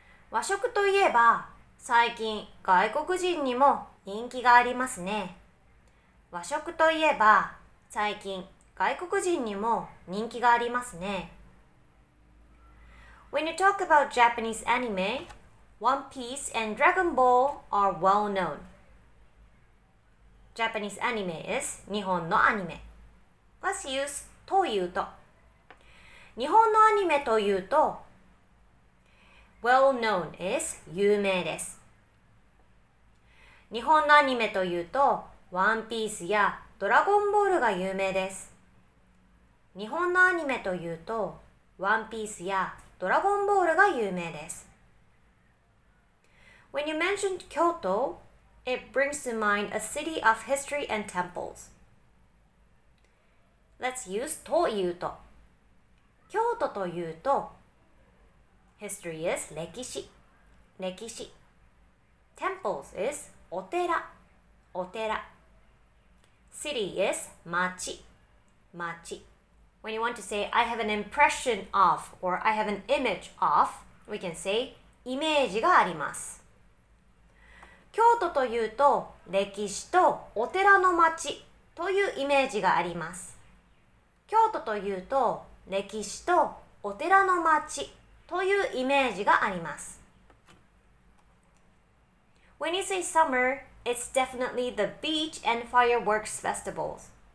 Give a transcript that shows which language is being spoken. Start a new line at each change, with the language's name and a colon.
Japanese: 和食といえば最近外国人にも人気がありますね。和食といえば最近外国人にも人気がありますね。
English: When you talk about Japanese anime, One Piece and Dragon Ball are well known. Japanese anime is
Japanese: 日本のアニメ。
English: Let's use
Japanese: というと。日本のアニメというと、
English: Well known is
Japanese: 有名です。日本のアニメというと、One Piece やドラゴンボールが有名です。日本のアニメというとワンピースやドラゴンボールが有名です。
English: When you mentioned Kyoto, it brings to mind a city of history and temples. Let's use Toyuto.
Japanese: 京都というと
English: History is
Japanese: 歴史、歴史。
English: Temples is
Japanese: お寺、お寺。
English: City is
Japanese: 町、町。
English: When you want to say, I have an impression of, or I have an image of, we can say,
Japanese: イメージがあります。京都というと、歴史とお寺の町というイメージがあります。京都というと、歴史とお寺の町というイメージがあります。
English: When you say summer, it's definitely the beach and fireworks festivals.